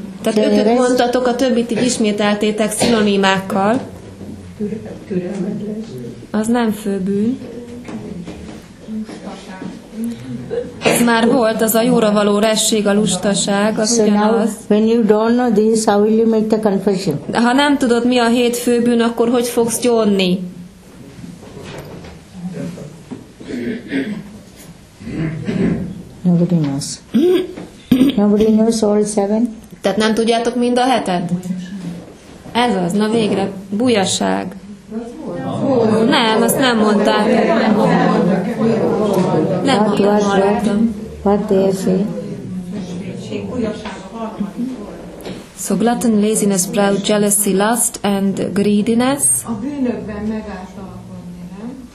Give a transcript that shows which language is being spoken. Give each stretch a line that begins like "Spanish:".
Hungarian: Tehát ötöt mondtatok, a többit így ismételtétek szinonimákkal. Türelmetlen. Az nem fő bűn. már volt, az a jóra való resség, a lustaság, az ugyanaz.
English: So now, when you don't know this, how will you make the confession?
Hungarian: Ha nem tudod, mi a hét fő bűn, akkor hogy fogsz gyónni?
English: Nobody knows. Nobody knows all seven.
Hungarian: Tehát nem tudjátok mind a hetet? Ez az, na végre, bujaság. Nem, azt nem mondták. Nem mondtam.
English: What do you say? So gluttony, laziness, proud, jealousy, lust and greediness.
Hungarian: A bűnökben megállapodni, nem?